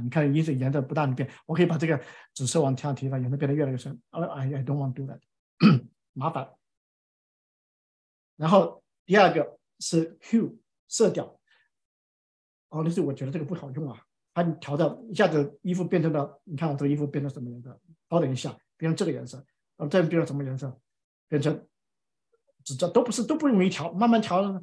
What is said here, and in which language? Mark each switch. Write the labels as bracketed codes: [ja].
[zh] 你看颜色颜色不大变，我可以把这个紫色往下提吧，颜色变得越来越深。 [en] I don't want to do that， [zh] 麻烦。然后第二个是 hue。色调，哦，但是我觉得这个不好用啊。它调到一下子衣服变成了，你看我这个衣服变成什么颜色？稍等一下，变成这个颜色，然后再变成什么颜色？变成紫色，都不是，都不容易调，慢慢调。